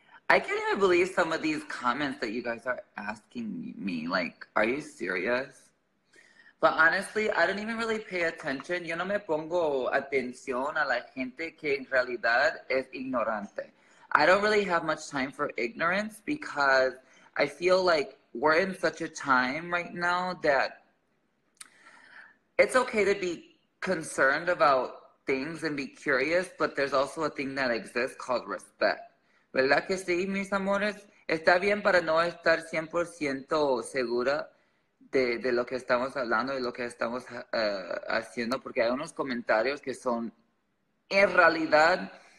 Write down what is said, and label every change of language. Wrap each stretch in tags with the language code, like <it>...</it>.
<en>I can't even believe some of these comments that you guys are asking me. Like, are you serious? But honestly, I don't even really pay attention.</en> <es>Yo no me pongo atención a la gente que en realidad es ignorante.</es> <en>I don't really have much time for ignorance because I feel like we're in such a time right now that it's okay to be concerned about things and be curious, but there's also a thing that exists called respect.</en> <es>¿Verdad que sí, mis amores? Está bien para no estar 100% segura de lo que estamos hablando y lo que estamos haciendo, porque hay unos comentarios que son en realidad</es>